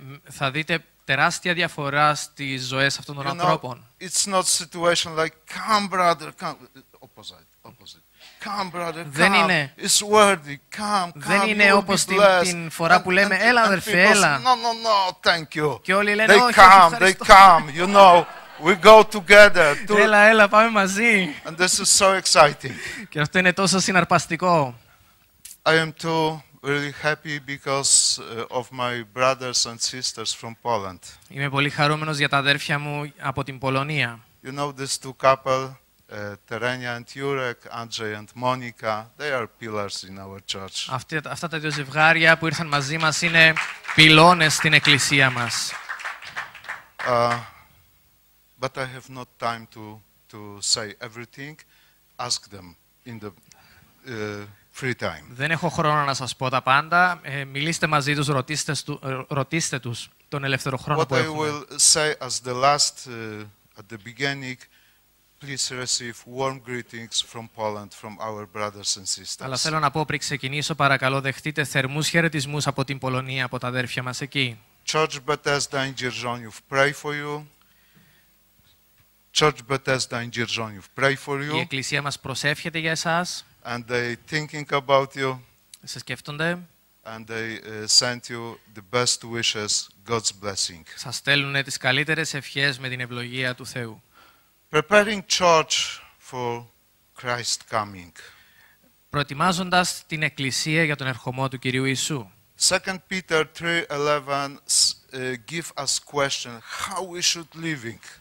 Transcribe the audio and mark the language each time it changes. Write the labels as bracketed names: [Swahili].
[Greek] Θα δείτε τεράστια διαφορά στις ζωές αυτών των ανθρώπων. [English] It's not situation like come brother, come. Opposite. Come, brother, come. [Greek] Δεν είναι. [English] It's worthy. Come, come. [Greek] Δεν είναι όπως την φορά που λέμε, έλα αδερφέ, έλα. [English] No, no, no, thank you. [Greek] Και όλοι λένε, [English] they [Greek] όχι, [English] come, they come. You know, we go together. [Greek] To... Έλα, έλα, πάμε μαζί. [English] And this is so exciting. [Greek] Και αυτό είναι τόσο συναρπαστικό. [English] I am too really happy because of my brothers and sisters from Poland. [Greek] Είμαι πολύ χαρούμενος για τα αδέρφια μου από την Πολωνία. [English] You know these two couple. Terenia and Jurek, Andrzej and Monika, they are pillars in our church. [Greek] Αυτά τα δύο ζευγάρια που ήρθαν μαζί μας είναι πυλώνες στην εκκλησία μας. [English] But I have not time to say everything. Ask them in the free time. [Greek] Δεν έχω χρόνο να σας πω τα πάντα. Μιλήστε μαζί τους, ρωτήστε τους τον ελεύθερο χρόνο που έχουμε. [English] What I will say as the last at the beginning. Please receive warm greetings from Poland, from our brothers and sisters. [Greek] Αλλά θέλω να πω πριν ξεκινήσω, παρακαλώ δεχτείτε θερμούς χαιρετισμούς από την Πολωνία, από τα αδέρφια μας εκεί. [English] Church Bethesda in Dzierżoniów, pray for you. Church Bethesda in Dzierżoniów, pray for you. [Greek] Η εκκλησία μας προσεύχεται για εσάς. [English] And they thinking about you. [Greek] Σε σκέφτονται. [English] And they sent you the best wishes, God's blessing. [Greek] Σας στέλνουν τις καλύτερες ευχές με την ευλογία του Θεού. [English] Preparing church for Christ coming. [Greek] Προετοιμάζοντας την εκκλησία για τον ερχομό του Κυρίου Ιησού. [English] 2 Peter 3:11 give us question how we should living.